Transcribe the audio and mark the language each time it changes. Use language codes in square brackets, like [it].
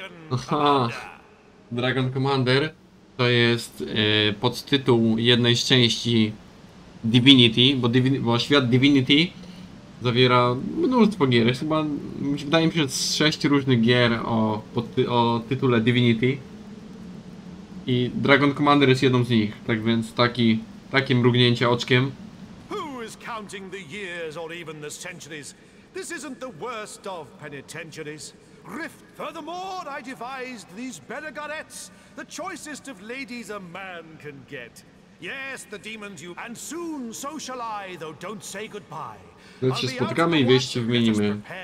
[pl] Aha, dragon commander to jest podtytuł jednej z części Divinity, bo świat Divinity zawiera mnóstwo gier. Chyba, wydaje mi się, że z 6 różnych gier o tytule Divinity. I Dragon Commander jest jedną z nich. Tak więc takie mrugnięcie oczkiem. [en] Who is counting the years or even the centuries? This isn't the worst of penitentiaries. Rift. Furthermore, I devised these Belagarets, the choicest of ladies a man can get. Yes, the demons you. And soon so shall I, though don't say goodbye. [pl] No, się spotkamy i wieści wymienimy.